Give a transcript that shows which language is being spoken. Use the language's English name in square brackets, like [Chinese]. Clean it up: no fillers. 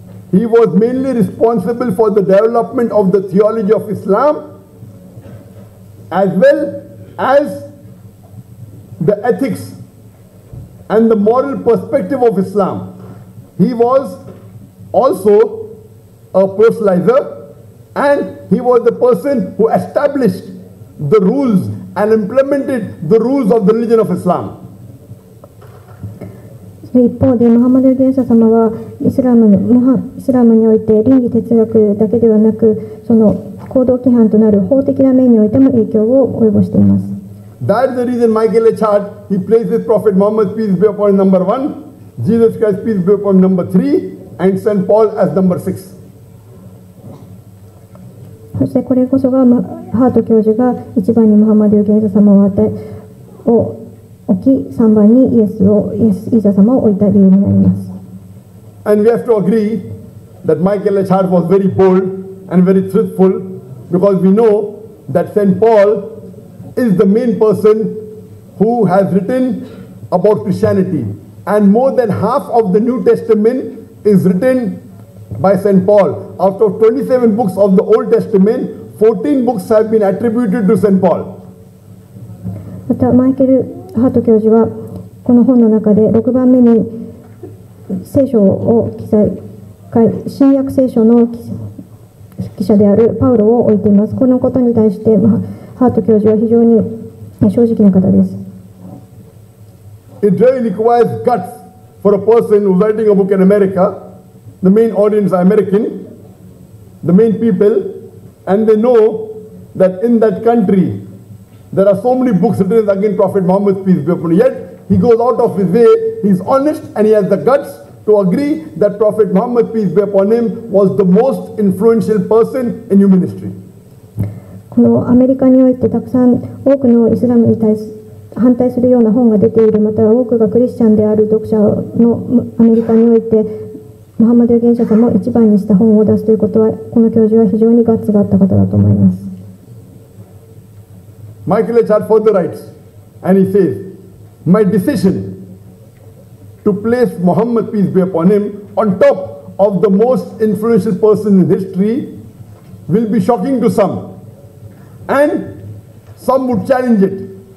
[English] He was mainly responsible for the development of the theology of Islam as well as the ethics and the moral perspective of Islam. He was also a proselytizer and he was the person who established the rules and implemented the rules of the religion of Islam. [Japanese] 一方でムハンマド預言者様はイスラムにおいて倫理哲学だけではなくその行動規範となる法的な面においても影響を及ぼしています。 [English] That is the reason Michael H. Hart he places Prophet Muhammad peace be upon number 1 Jesus Christ peace be upon number 3 and St. Paul as number 6. [Japanese] そしてこれこそがハート教授が一番にムハンマド預言者様を置き3番にイーサー様を置いた理由になります。 [English] And we have to agree that Michael H. Hart was very bold and very truthful because we know that St. Paul is the main person who has written about Christianity and more than half of the New Testament is written by St. Paul. Out of 27 books of the Old Testament, 14 books have been attributed to St. Paul. [Japanese] またマイケルハート教授はこの本の中で6番目に聖書を記載新約聖書の筆記者であるパウロを置いています。このことに対してハート教授は非常に正直な方です。 [English] It really requires guts for a person who's writing a book in America. The main audience are American, the main people, and they know that in that countryThere are so many books written against Prophet Muhammad, peace be upon him. Yet, he goes out of his way, he's honest, and he has the guts to agree that Prophet Muhammad, peace be upon him, was the most influential person in human history. [Japanese] このアメリカにおいてたくさん多くのイスラムに対し反対するような本が出ている、または多くがクリスチャンである読者のアメリカにおいて、ムハンマド預言者様を一番にした本を出すということは、この教授は非常にガッツがあった方だと思います。 [English] Michael H. Hart further writes, and he says, My decision to place Muhammad, peace be upon him, on top of the most influential person in history will be shocking to some, and some would challenge it.